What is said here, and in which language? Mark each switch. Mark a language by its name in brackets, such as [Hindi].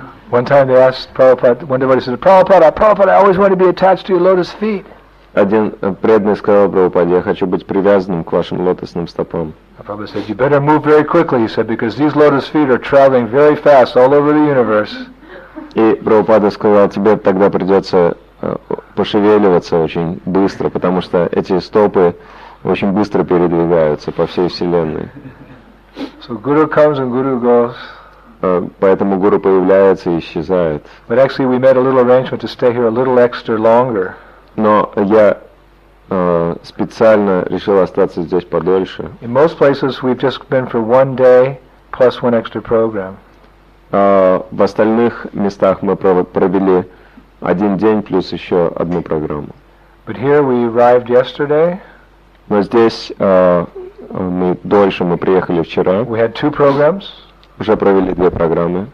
[English] One time they asked Prabhupada, one devotee said, Prabhupada, I always want to be attached to your lotus feet. [Russian] Один преданный сказал Прабхупаде, я хочу быть привязанным к вашим лотосным стопам. [English] Prabhupada said, you better move very quickly, he said, because these lotus feet are traveling very fast all over the universe. [Russian] И Прабхупада сказал, тебе тогда придется пошевеливаться очень быстро, потому что эти стопы очень быстро передвигаются по всей Вселенной. [English] So guru comes and guru goes. [Russian] Поэтому гуру появляется и исчезает. [English] But actually we made a little arrangement to stay here a little extra longer. [Russian] Но я специально решил остаться здесь подольше. [English] In most places we've just been for one day plus one extra program. [Russian] В остальных местах мы провели один день плюс еще одну программу. [English] But here we arrived yesterday. [Russian] Но здесь мы приехали вчера. [English] We had two programs. [Russian] Уже провели две программы.